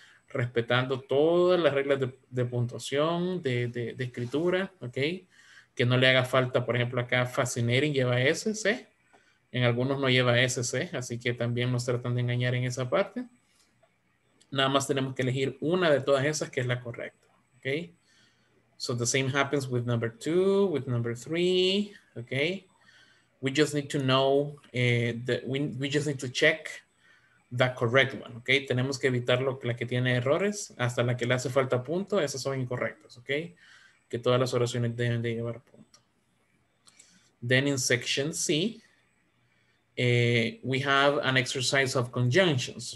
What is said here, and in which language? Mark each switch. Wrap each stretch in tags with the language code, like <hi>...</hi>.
<es>Respetando todas las reglas de puntuación, de escritura, ¿ok? Que no le haga falta, por ejemplo, acá Fascinating lleva SC. En algunos no lleva SC, así que también nos tratan de engañar en esa parte. Nada más tenemos que elegir una de todas esas que es la correcta, ¿ok?</es> <en>So the same happens with number two, with number three, okay? We just need to know, we just need to check the correct one, okay?</en> <es>Tenemos que evitar la que tiene errores, hasta la que le hace falta punto, esas son incorrectas, okay? que todas las oraciones deben de llevar punto.</es> <en>Then in section C, we have an exercise of conjunctions.</en>